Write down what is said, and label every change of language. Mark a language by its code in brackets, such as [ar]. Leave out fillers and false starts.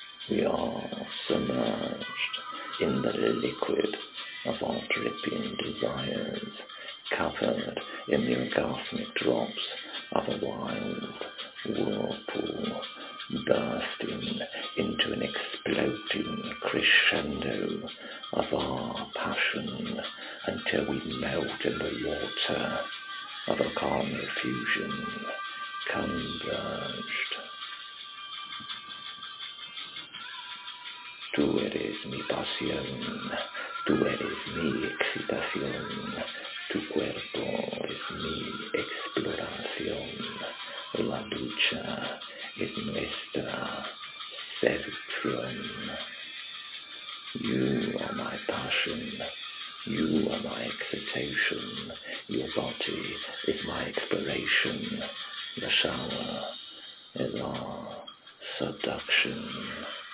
[en] We are submerged in the liquid of our dripping desires, covered in the orgasmic drops of a wild whirlpool, bursting into an exploding crescendo of our passion until we melt in the water of a calm effusion converged. [es] Tu eres mi pasión, tu eres mi excitación, tu cuerpo es mi exploración, la ducha es nuestra seducción. [en] You are my passion, you are my excitation, your body is my exploration, the shower is our seduction.